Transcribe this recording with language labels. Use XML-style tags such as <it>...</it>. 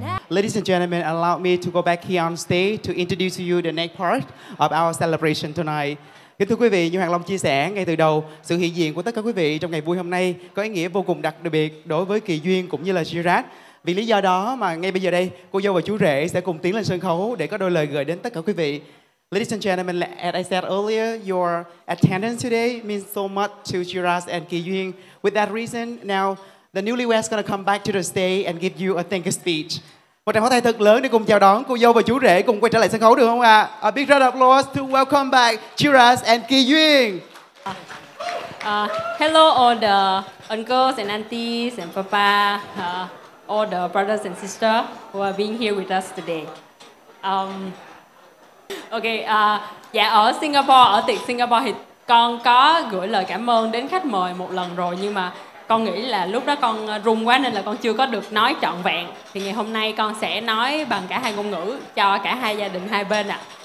<en>ladies and gentlemen, allow me to go back here on stage to introduce to you the next part of our celebration tonight.</en> <vi>Kính thưa quý vị, như Hoàng Long chia sẻ ngay từ đầu, sự hiện diện của tất cả quý vị trong ngày vui hôm nay có ý nghĩa vô cùng đặc biệt đối với Kỳ Duyên cũng như là Girard. Vì lý do đó mà ngay bây giờ đây, cô dâu và chú rể sẽ cùng tiến lên sân khấu để có đôi lời gửi đến tất cả quý vị.</vi> <en>Ladies and gentlemen, as I said earlier, your attendance today means so much to Girard and Kỳ Duyên. With that reason, now the newlyweds gonna come back to the stage and give you a thank you speech.</en> <vi>Một tràng pháo tay thật lớn để cùng chào đón cô dâu và chú rể cùng quay trở lại sân khấu được không ạ?</vi> <en>A big round of applause to welcome back Girard and Kỳ Duyên. Hello all the uncles and aunties and papa, all the brothers and sisters who are being here with us today.</en> <vi>Ở Singapore, ở tiệc Singapore thì con có gửi lời cảm ơn đến khách mời một lần rồi, nhưng mà con nghĩ là lúc đó con run quá nên là con chưa có được nói trọn vẹn. Thì ngày hôm nay con sẽ nói bằng cả hai ngôn ngữ cho cả hai gia đình hai bên ạ.</vi>